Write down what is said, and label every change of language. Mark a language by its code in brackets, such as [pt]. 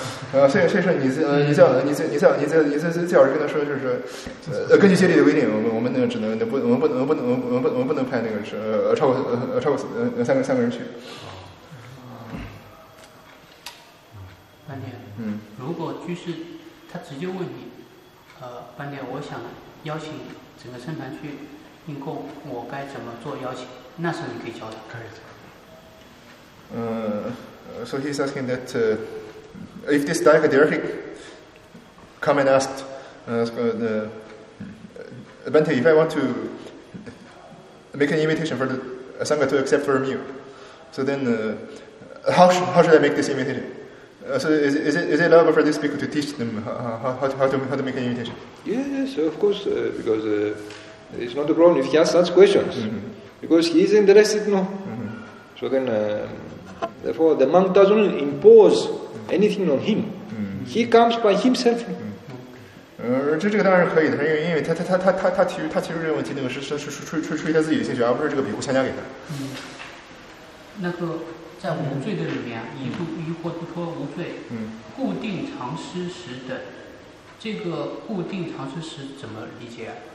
[zh] 然后所以说你最好是跟他说，就是根据戒律的规定，我们只能我们不能派那个是超过三个人去。班点，如果居士他直接问你，班点，我想邀请整个僧团去应供，我该怎么做邀请？那时候你可以教他。可以。 [en] So he's asking that if this Dayaka directly come and asked, Bhante, if I want to make an invitation for the Sangha to accept from you, so then how should I make this invitation? So is it allowable for these people to teach them how to make an invitation? Yes, of course, because it's not a problem if he asks such questions, because he is interested, no? So then, therefore, the monk doesn't impose anything on him. He comes by himself. [zh] 这个当然可以的，因为他提出这个问题，那个是出于他自己的兴趣，而不是这个比库强加给他。那个在无罪的里面，以度疑惑不脱无罪，固定常施时的这个固定常施时怎么理解啊？